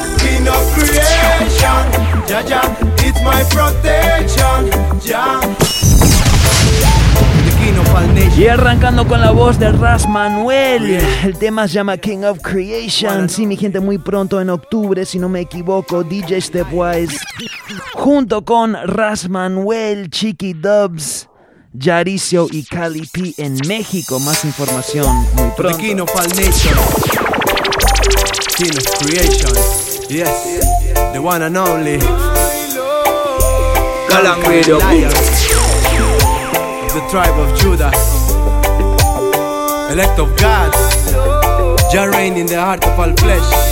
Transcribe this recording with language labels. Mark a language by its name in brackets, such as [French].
[English] King of Creation, ya, ya, it's my protection, ya. [Spanish] Y arrancando con la voz de Ras Manuel, el tema se llama King of Creation. Sí, mi gente, muy pronto en octubre, si no me equivoco, DJ Stepwise, junto con Ras Manuel, Chiqui Dubs, Yaricio y Cali P en México. Más información muy pronto. [English] The King of All Nations, King of Creation, yes, the one and only Galang Radio, the tribe of Judah, elect of God, Jah reign in the heart of all flesh.